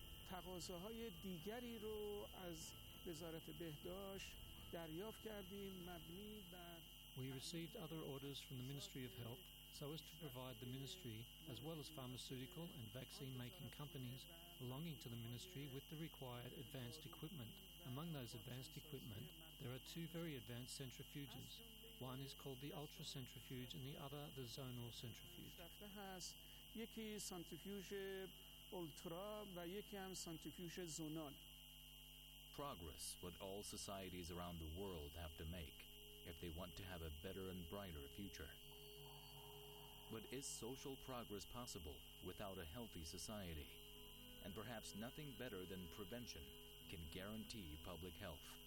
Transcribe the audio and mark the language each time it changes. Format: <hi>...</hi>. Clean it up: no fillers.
<fa>تقاضاهای دیگری رو از وزارت بهداشت دریافت کردیم مبنی بر</fa> <en>We received other orders from the Ministry of Health so as to provide the ministry as well as pharmaceutical and vaccine making companies belonging to the ministry with the required advanced equipment. Among those advanced equipment there are two very advanced centrifuges. One is called the ultra centrifuge and the other the zonal centrifuge.</en> <fa>یکی سنتریفیوژ اولترا و یکی هم سنتریفیوژ زونال.</fa> <en>Progress what all societies around the world have to make if they want to have a better and brighter future. But is social progress possible without a healthy society? And perhaps nothing better than prevention can guarantee public health.</en>